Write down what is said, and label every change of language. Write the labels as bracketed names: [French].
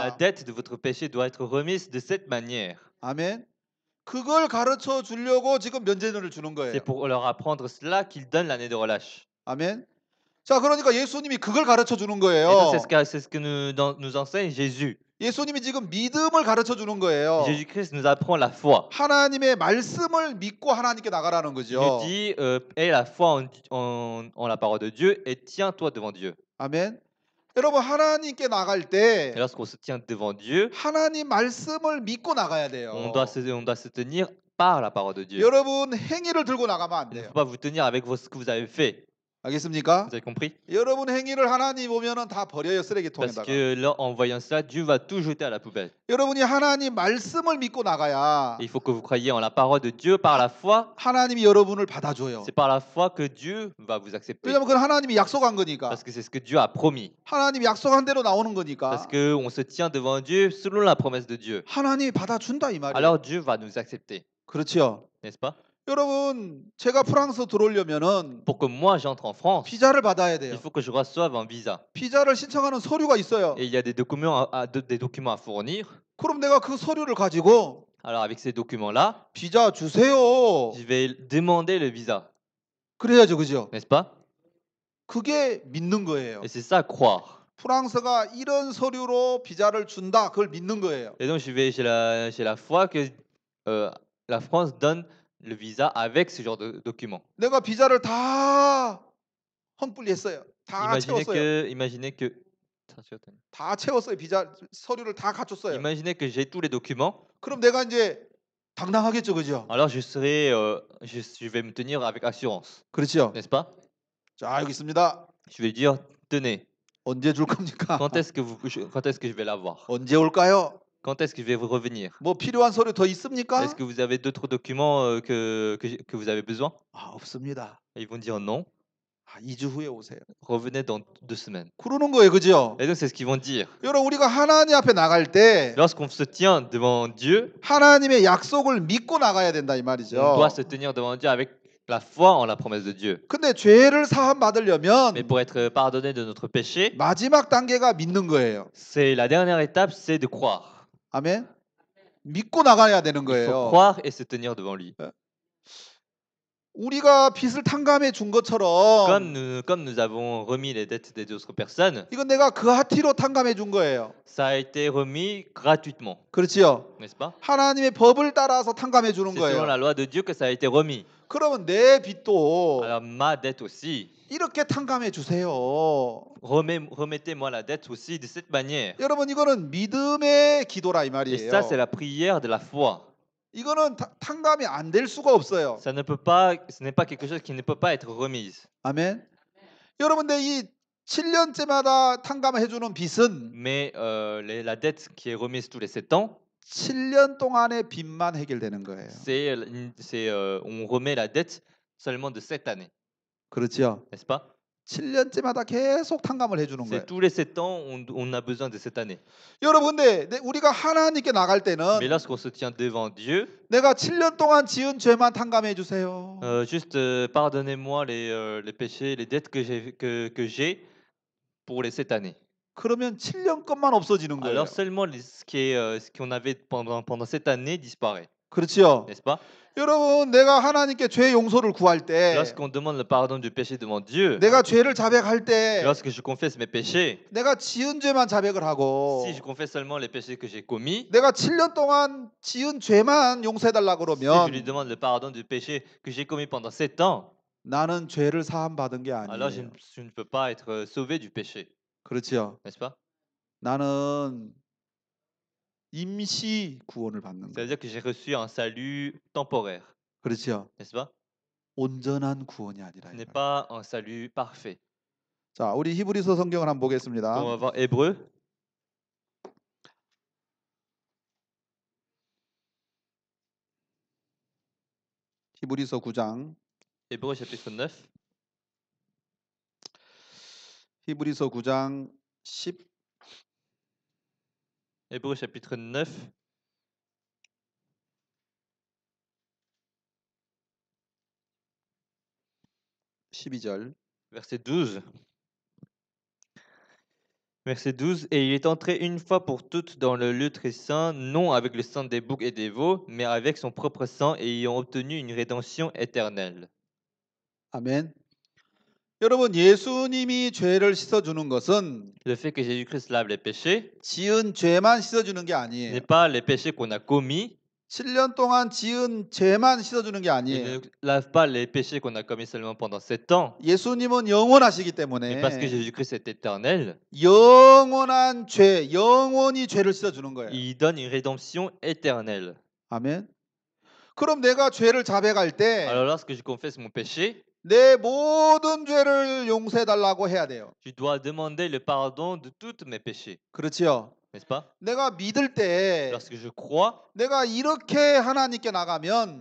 [French] La dette de votre péché doit être remise de cette manière. [Korean] 아멘. 그걸 가르쳐 주려고 지금 면제년을 주는 거예요. [French] C'est pour leur apprendre cela qu'il donne l'année de relâche. [Korean] 아멘. 자 그러니까 예수님이 그걸 가르쳐 주는 거예요. [French] C'est ce que nous enseigne Jésus. [Korean] 예수님이 지금 믿음을 가르쳐 주는 거예요. [French] Jésus-Christ nous apprend la foi. [Korean] 하나님의 말씀을 믿고 하나님께 나가라는 거죠. [French] Il dit aie la foi en la parole de Dieu et tiens-toi devant Dieu. [Korean] 아멘. 여러분 하나님께 나갈 때 [French] Lorsqu'on se tient devant Dieu, [Korean] 하나님 말씀을 믿고 나가야 돼요. [French] On doit se tenir par la parole de Dieu. [Korean] 여러분 행위를 들고 나가면 안 돼요. [French] Il ne faut pas vous tenir avec ce que vous avez fait. [Korean] 알겠습니까? [French] Vous avez compris? [Korean] 여러분 행위를 하나님 보면은 다 버려요 쓰레기통에다가. [French] Parce que en voyant ça, Dieu va tout jeter à la poubelle. [Korean] 여러분이 하나님 말씀을 믿고 나가야. [French] Il faut que vous croyiez en la parole de Dieu par la foi. [Korean] 하나님이 여러분을 받아줘요. [French] C'est par la foi que Dieu va vous accepter. [Korean] 왜냐면 그건 하나님이 약속한 거니까. [French] Parce que c'est ce que Dieu a promis. [Korean] 하나님이 약속한 대로 나오는 거니까. [French] Parce que on se tient devant Dieu selon la promesse de Dieu. [Korean] 하나님이 받아준다 이 말이에요. [French] Alors Dieu va nous accepter. [Korean] 그렇죠. [French] N'est-ce pas? [Korean] 여러분, 제가 프랑스 들어오려면은 [French] Pour que moi j'entre en France, [Korean] 비자를 받아야 돼요. [French] Il faut que je reçoive un visa. [Korean] 비자를 신청하는 서류가 있어요. [French] Et il y a des documents à fournir. [Korean] 그럼 내가 그 서류를 가지고 [French] Alors avec ces documents-là, [Korean] 비자 주세요. [French] Je vais demander le visa. [Korean] 그래야죠, 그죠? [French] N'est-ce pas? [Korean] 그게 믿는 거예요. [French] Et c'est ça croire. [Korean] 프랑스가 이런 서류로 비자를 준다. 그걸 믿는 거예요. [French] Et donc j'ai la foi que la France donne le visa avec ce genre de document. [Korean] 내가 비자를 다 헌뿌리했어요. 다 [French] imaginez [Korean] 채웠어요. 비자 서류를 다 갖췄어요. [French] Imaginez que j'ai tous les documents. [Korean] 그럼 내가 이제 당당하겠죠, 그죠? [French] Alors je serai je vais me tenir avec assurance. [Korean] 그렇죠. [French] N'est-ce pas? [Korean] 자, 여기 있습니다. [French] Je vais dire tenez. [Korean] 언제 줄 겁니까? [French] Quand est-ce que je vais l'avoir? [Korean] 언제 올까요? [French] Quand est-ce que je vais vous revenir? [Korean] 뭐 필요한 서류 더 있습니까? [French] Est-ce que vous avez d'autres documents que vous avez besoin? [Korean] 아, 없습니다. [French] Ils vont dire non. [Korean] 아, 2주 후에 오세요. [French] Revenez dans deux semaines. [Korean] 그러는 거예요, 그죠? [French] Et donc c'est ce qu'ils vont dire. [Korean] 여러분, 우리가 하나님 앞에 나갈 때 [French] Lorsqu'on se tient devant Dieu, [Korean] 하나님의 약속을 믿고 나가야 된다 이 말이죠. [French] On doit se tenir devant Dieu avec la foi en la promesse de Dieu. [Korean] 근데 죄를 사함 받으려면 [French] Mais pour être pardonné de notre péché, [Korean] 마지막 단계가 믿는 거예요. [French] C'est la dernière étape, c'est de croire. [Korean] 아멘. 믿고 나가야 되는 거예요. [French] Il faut croire et se tenir devant lui. [Korean] 우리가 빚을 탕감해 준 것처럼 [French] comme nous avons remis les dettes des autres personnes. [Korean] 이건 내가 그하티로 탕감해 준 거예요. [French] Ça a été remis gratuitement. [Korean] 그렇지요. [French] N'est-ce pas? [Korean] 하나님의 법을 따라서 탕감해 주는 [French] C'est [Korean] 거예요. [French] C'est selon la loi de Dieu que ça a été remis. [Korean] 그러면 내 빚도 [French] Alors, ma dette aussi. [Korean] 이렇게 탕감해 주세요. [French] Remettez-moi la dette aussi de cette manière. [Korean] 여러분 이거는 믿음의 기도라 이 말이에요. [French] Et ça c'est la prière de la foi. [Korean] 이거는 탕감이 안 될 수가 없어요. [French] Ça ne peut pas, ce n'est pas quelque chose qui ne peut pas être remise. [Korean] 아멘. 여러분들 이 7년째마다 탕감해 주는 빚은 [French] Mais la dette qui est remise tous les 7 ans [Korean] 7년 동안의 빚만 해결되는 거예요. [French] C'est on remet la dette seulement de cette année. [Korean] 그렇죠. [French] N'est-ce pas? [Korean] 7년째마다 계속 탕감을 해 주는 거예요. [French] C'est tous les 7 ans on a besoin de cette année. [Korean] 여러분들 우리가 하나님께 나갈 때는 [French] Mais lorsqu'on se tient devant Dieu, [Korean] 내가 7년 동안 지은 죄만 탕감해 주세요. [French] Juste pardonnez-moi les péchés, les dettes que j'ai pour les 7 années. [Korean] 그러면 7년 것만 없어지는 거예요. [French] Alors seulement ce qu'on avait pendant cette année disparaît. [Korean] 그렇죠. [French] N'est-ce pas? [Korean] 여러분, 내가 하나님께 죄 용서를 구할 때 [French] Lorsqu'on demande le pardon du péché devant Dieu. [Korean] 내가 죄를 자백할 때 [French] Lorsque je confesse mes péchés. [Korean] 내가 지은 죄만 자백을 하고 [French] Si je confesse seulement les péchés que j'ai commis. [Korean] 내가 7년 동안 지은 죄만 용서해 달라 그러면 [French] Si je lui demande le pardon du péché que j'ai commis pendant 7 ans. [Korean] 나는 죄를 사함 받은 게 아니에요. [French] Alors je ne peux pas être sauvé du péché. [Korean] 그렇죠. [French] N'est-ce pas? [Korean] 나는 임시 구원을 받는 거예요. [French] C'est-à-dire que j'ai reçu un salut temporaire. [Korean] 그렇죠. [French] N'est-ce pas? [Korean] 온전한 구원이 아니라. [French] N'est pas un salut parfait. [Korean] 자, 우리 히브리서 성경을 한번 보겠습니다. [French] On va voir Hébreu. [Korean] 히브리서 9장. [French] Hébreu chapitre 9. [Korean] 히브리서 9장 10 [French] Hébreux chapitre 9 [Korean] 12절 [French] verset 12 verset 12 et il est entré une fois pour toutes dans le lieu très saint non avec le sang des boucs et des veaux mais avec son propre sang et ayant obtenu une rédemption éternelle. Amen. [Korean] 여러분 예수님이 죄를 씻어 주는 것은 [French] Le fait que Jésus-Christ lave les péchés [Korean] 지은 죄만 씻어 주는 게 아니에요. [French] N'est pas les péchés qu'on a commis. [Korean] 7년 동안 지은 죄만 씻어 주는 게 아니에요. [French] Il ne lave pas les péchés qu'on a commis seulement pendant 7 ans. [Korean] 예수님은 영원하시기 때문에 [French] Mais parce que Jésus-Christ est éternel. [Korean] 영원한 죄, 영원히 죄를 씻어 주는 거예요. [French] Il donne une rédemption éternelle. [Korean] 아멘. 그럼 내가 죄를 자백할 때 [French] Alors lorsque je confesse mon péché [Korean] 내 모든 죄를 용서해 달라고 해야 돼요. [French] Je dois demander le pardon de toutes mes péchés. [Korean] 그렇지요. [French] N'est-ce pas? [Korean] 내가 믿을 때 [French] Lorsque je crois [Korean] 내가 이렇게 하나님께 나가면